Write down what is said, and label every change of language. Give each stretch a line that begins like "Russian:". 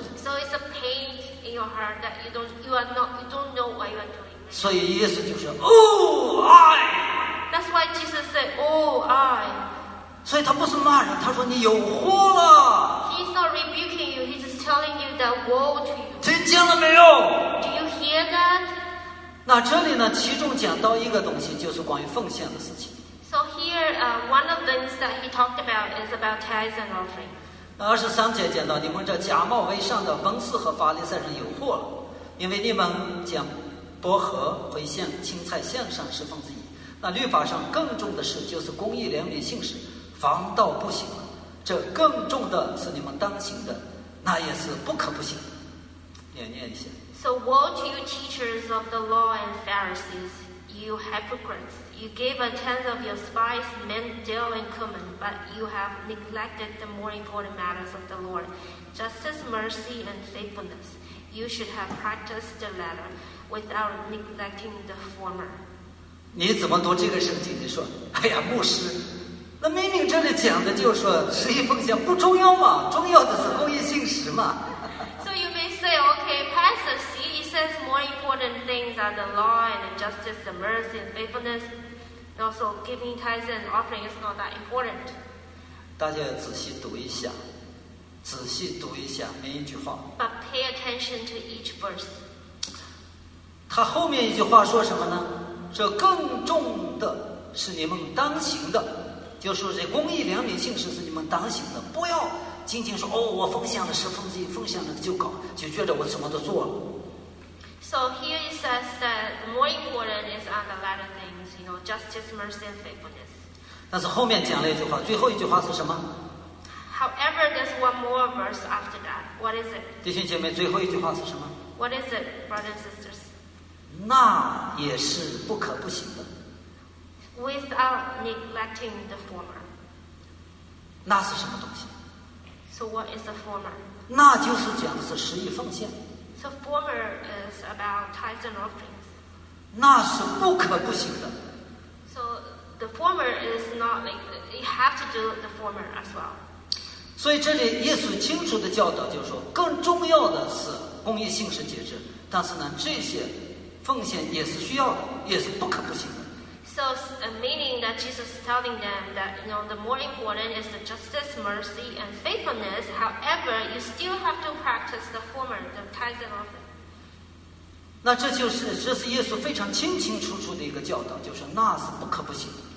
English: So it's a pain in your heart that you don't know what you are doing.
Chinese: 所以耶稣就说
English: Oh, I. That's why Jesus said, Oh, I.
Chinese: 所以他不是骂人，他说你有祸了。
English: He's not rebuking you. He's just telling you that woe to you.
Chinese: 听见了没有
English: ？Do you hear that?
Chinese: 那这里呢，其中讲到一个东西，就是关于奉献的事情。
English: So here, one of the things that he talked about is about tithes and offering.
Chinese: 那二十三节见到你们这假冒为善的文士和法利赛人有祸了，因为你们将薄荷、茴香、青菜献上十分之一。那律法上更重的事就是公义、怜悯、信实，反倒不行了。这更重的是你们当行的，那也是不可不行的。也念一下。
English: So woe to you, teachers of the law and Pharisees, you hypocrites! You gave a tenth of your spice, mint, dill, and cumin, but you have neglected the more important matters of the Lord, justice, mercy, and faithfulness. You should have practiced the latter without neglecting the former.
Chinese: 你怎么读这个圣经？你说，哎呀，牧师，那明明这里讲的就是说，十一奉献不重要嘛，重要的是公义信实嘛。
English: So you may say, okay, pastor, see, he says more important things are the law and the justice, the mercy, and faithfulness. Also, giving tithes and offering is not that important.
Chinese: 大家要仔细读一下，仔细读一下每一句话。
English: But pay attention to each verse.
Chinese: 他后面一句话说什么呢？这更重的是你们当行的，就说这公义、良民、信实是你们当行的。不要仅仅说哦，我奉献了十分之一，奉献了就搞，就觉得我什么都做了。
English: So here it says that more important is on the latter thing. You know, justice, mercy, and faithfulness.
Chinese: 但是后面讲了一句话，最后一句话是什么
English: ？However, there's one more verse after that. What is it?
Chinese: 弟兄姐妹，最后一句话是什么
English: ？What is it, brothers and sisters?
Chinese: 那也是不可不行的。
English: Without neglecting the former.
Chinese: 那是什么东西
English: ？So what is the former?
Chinese: 那就是讲的是十一奉献。
English: So former is about tithes and offering.
Chinese: 那是不可不行的。
English: So the former is not like you have to do the former as well.
Chinese: 所以这里耶稣清楚的教导就是说，更重要的是公益性是节制，但是呢，这些奉献也是需要的，也是不可不行的。
English: So meaning that Jesus is telling them that you know the more important is the justice, mercy, and faithfulness. However, you still have to practice the former, the tithes and offerings.
Chinese: 那这是耶稣非常清清楚楚的一个教导，就是那是不可不行的。